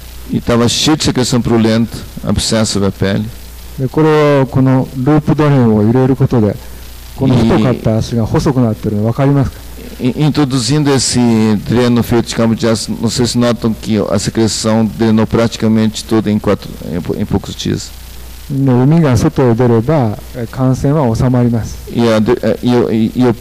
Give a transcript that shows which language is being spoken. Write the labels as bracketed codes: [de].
[pt] estava cheio de secreção purulenta, abscesso da pele. [ja] これはこのループドレンを入れることで [pt] Introduzindo esse dreno feito de cabo de aço, não sei se notam que a secreção drenou praticamente toda em poucos dias. E o